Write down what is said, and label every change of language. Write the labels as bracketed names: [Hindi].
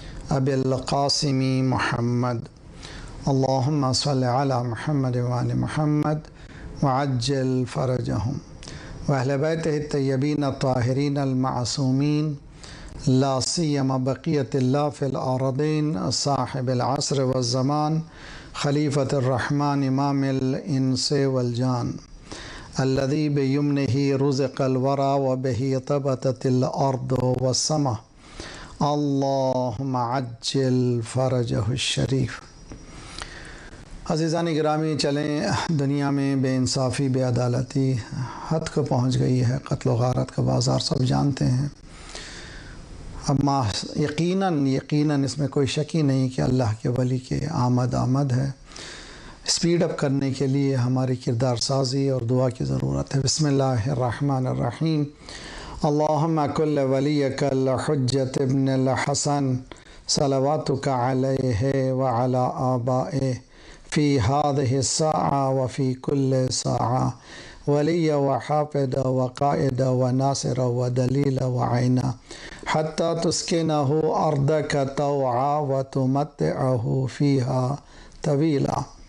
[Arabic] أبي القاسم محمد، اللهم صل على محمد وآل محمد وعجل فرجهم وأهل بيته الطيبين الطاهرين المعصومين، لا سيما بقية الله في الأرضين، صاحب العصر والزمان، خليفة الرحمن، إمام الإنس والجان، الذي بيمنه رزق الورى وبه طبتت الأرض والسماء، اللهم عجل فرجه الشريف. [Urdu] عزیزانی گرامی، چلیں، دنیا میں بے انصافی، بے عدالتی حد کو پہنچ گئی ہے، قتل و غارت کا بازار سب جانتے ہیں. اب یقیناً اس میں کوئی شک ہی نہیں کہ اللہ کے ولی کے آمد ہے. سپیڈ اپ کرنے کے لیے ہماری کردار سازی اور دعا کی ضرورت ہے. [Arabic] بسم اللہ الرحمن الرحیم. اللہم کل ولیک الحجت ابن الحسن صلواتک علیہ وعلی آبائے في هذه الساعة وفي كل ساعة، ولي وحافظ وقائد وناصر ودليل وعينا، حتى تسكنه أرضك طوعا وتمتعه فيها طويلا.